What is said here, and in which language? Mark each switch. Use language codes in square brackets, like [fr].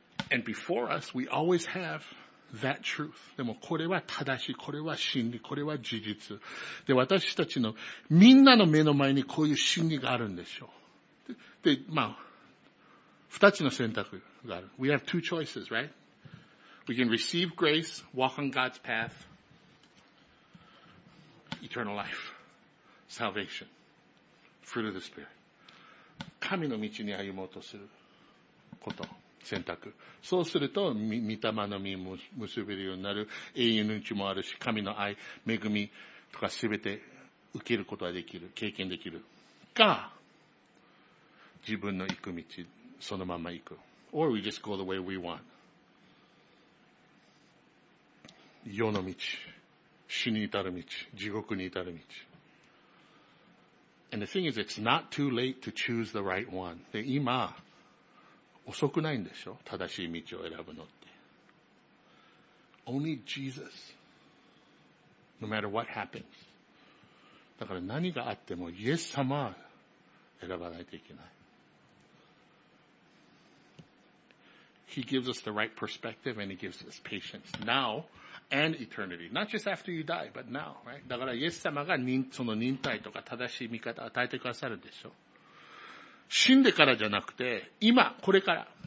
[en] And before us, we always have that truth. [ja] でもこれは正しい、これは真理、これは事実。で、私たちのみんなの目の前にこういう真理があるんでしょう。で、まあ、二つの選択がある。 [en] We have two choices, right? We can receive grace, walk on God's path, eternal life, salvation, fruit of the Spirit. [ja] 神の道に歩もうとすること。選択。そうすると、御霊の実を結べるようになる永遠の命もあるし、神の愛、恵みとかすべて受けることができる、経験できる。が、自分の行く道、そのまま行く。 [en] Or we just go the way we want. [ja] 世の道、死に至る道、地獄に至る道。 [en] And the thing is, it's not too late to choose the right one. [ja] で、今、遅くないんでしょ？正しい道を選ぶのって。 [en] Only Jesus. No matter what happens. [ja] だから何があっても、イエス様は選ばないといけない。 [en] He gives us the right perspective and he gives us patience. Now and eternity. Not just after you die, but now, right? [ja] だからイエス様がその忍耐とか正しい見方を与えてくださるでしょ？死んでからじゃなくて、今、これから。